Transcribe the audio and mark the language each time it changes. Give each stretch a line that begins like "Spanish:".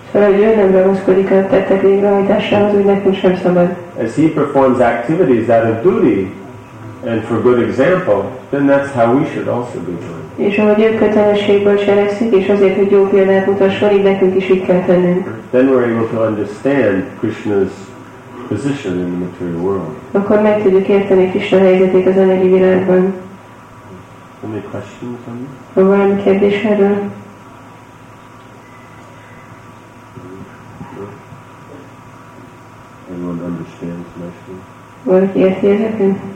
Hungarian: So ő nem ragaszkodik a tettek végrehajtásához, úgy nekünk sem szabad.
English: As he performs activities out of duty and for good example, then that's how we should also be doing.
Hungarian: És ahogy ő kötelességből cselekszik, és azért, hogy jó példát mutasson, így nekünk is így kell tennünk.
English: Then we're able to understand Krishna's position in the material world.
Hungarian: Akkor meg tudjuk érteni Krishna helyzetét az anyagi világban.
English: Any questions on
Hungarian: that? Van kérdés erről?
English: Anyone understands the question?
Hungarian: Valaki érti ezeket?